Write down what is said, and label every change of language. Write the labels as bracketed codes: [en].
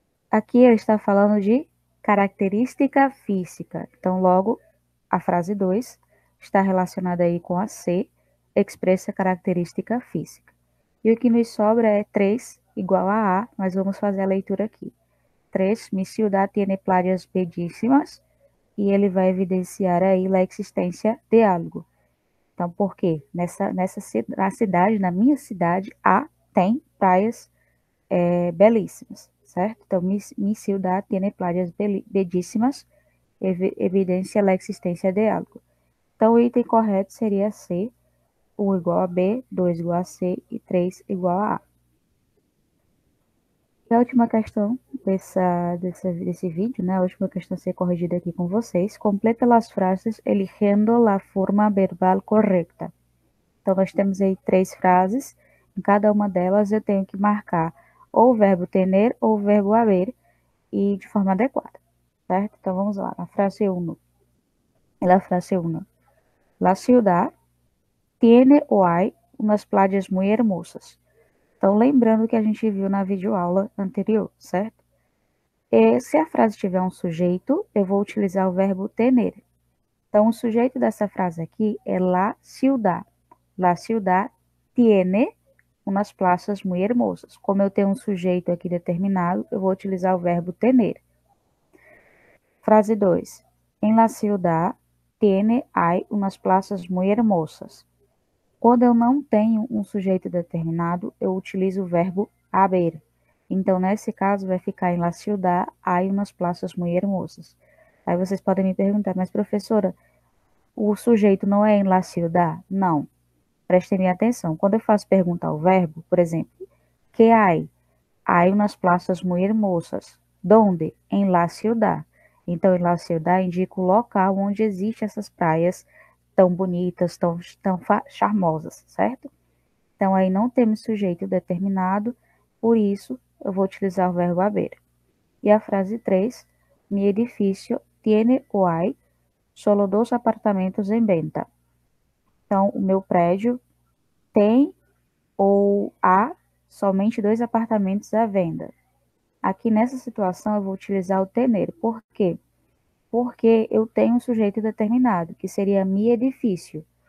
[pt] Aqui ele está falando de característica física. Então, logo, a frase 2 está relacionada aí com a C, expressa característica física. E o que nos sobra é 3 igual a A, mas vamos fazer a leitura aqui. [es] 3, mi ciudad tiene playas bellísimas. [pt] E ele vai evidenciar aí a existência de algo. Então, por quê? Na cidade, na minha cidade, tem praias belíssimas, certo? Então, [es] mi ciudad tiene playas bellísimas, [pt] evidencia a existência de algo. Então, o item correto seria C, 1 igual a B, 2 igual a C e 3 igual a A. E a última questão desse vídeo, né? A última questão a ser corrigida aqui com vocês. Completa as frases eligiendo a forma verbal correta. Então, nós temos aí três frases. Em cada uma delas, eu tenho que marcar ou o verbo tener ou o verbo haver e de forma adequada, certo? Então, vamos lá. Na frase 1. Na frase 1. [es] La ciudad tiene o hay unas playas muy hermosas. [pt] Então, lembrando que a gente viu na videoaula anterior, certo? E se a frase tiver um sujeito, eu vou utilizar o verbo tener. Então, o sujeito dessa frase aqui é la ciudad. [es] La ciudad tiene unas plazas muy hermosas. [pt] Como eu tenho um sujeito aqui determinado, eu vou utilizar o verbo tener. Frase 2. [es] En la ciudad tiene hay unas plazas muy hermosas. [pt] Quando eu não tenho um sujeito determinado, eu utilizo o verbo haber. Então, nesse caso, vai ficar em [es] La Ciudad hay unas plazas muy hermosas. [pt] Aí vocês podem me perguntar, mas professora, o sujeito não é em La Ciudad? Não. Prestem minha atenção. Quando eu faço pergunta ao verbo, por exemplo, [es] que hay? Hay unas plazas muy hermosas. Donde? [pt] Em [es] La Ciudad. [pt] Então, em La Ciudad indica o local onde existem essas praias tão bonitas, tão charmosas, certo? Então, aí não temos sujeito determinado, por isso. Eu vou utilizar o verbo haver. E a frase 3. [es] Mi edificio tiene o hay solo dos apartamentos en venta. [pt] Então, o meu prédio tem ou há somente dois apartamentos à venda. Aqui nessa situação, eu vou utilizar o tener. Por quê? Porque eu tenho um sujeito determinado, que seria mi edificio.